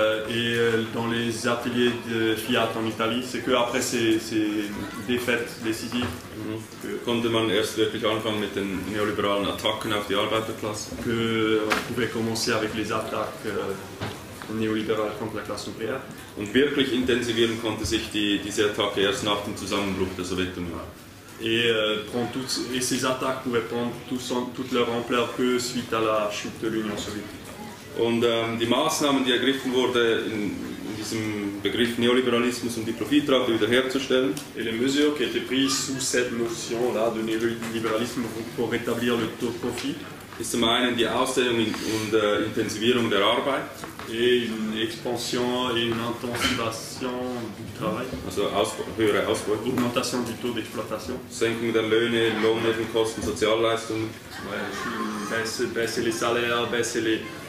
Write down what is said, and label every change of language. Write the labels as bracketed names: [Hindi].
[French] Et dans les ateliers de Fiat en Italie, c'est que après ces défaites décisives, [German] konnte man erst wirklich anfangen mit den neoliberalen Attacken auf die Arbeiterklasse. [French] Que on pouvait commencer avec les attaques néolibérales contre la classe ouvrière. [German] Und wirklich intensivieren konnte sich diese Attacke erst nach dem Zusammenbruch der Sowjetunion. [French] Et ces attaques pouvaient prendre toute leur ampleur que suite à la chute de l'Union soviétique. [German] Und die Maßnahmen, die ergriffen wurden in diesem Begriff Neoliberalismus, um die Profitrate wiederherzustellen. [French] Et les mesures qui étaient prises sous cette notion-là de néolibéralisme pour rétablir le taux de profit. [German] Ist zum einen die Ausdehnung und Intensivierung der Arbeit. [French] Et une expansion et une intensivation du travail. [German] Also höhere Ausbeutung. [French] Augmentation du taux d'exploitation. [German] Senkung der Löhne, Lohnnebenkosten, Sozialleistungen. [French] Ouais, baisser les salaires, baisser les...